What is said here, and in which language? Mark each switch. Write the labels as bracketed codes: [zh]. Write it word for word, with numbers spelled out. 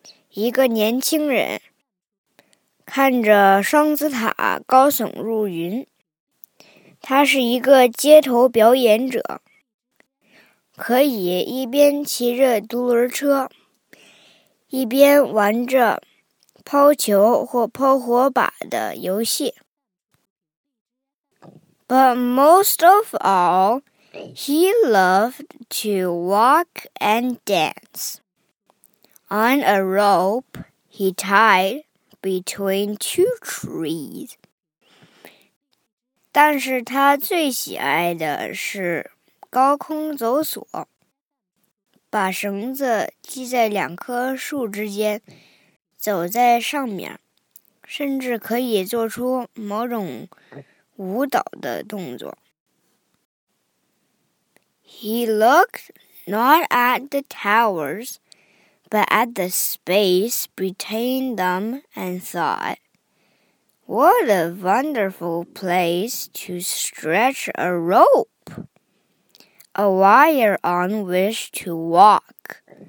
[zh] 一个年轻人看着双子塔高耸入云，他是一个街头表演者，可以一边骑着独轮车，一边玩着抛球或抛火把的游戏。 [en] But most of all, he loved to walk and dance. On a rope he tied between two trees. [zh] 但是他最喜爱的是高空走索，把绳子系在两棵树之间，走在上面，甚至可以做出某种舞蹈的动作。 [en] He looked not at the towers,but at the space between them and thought, what a wonderful place to stretch a rope, a wire on which to walk.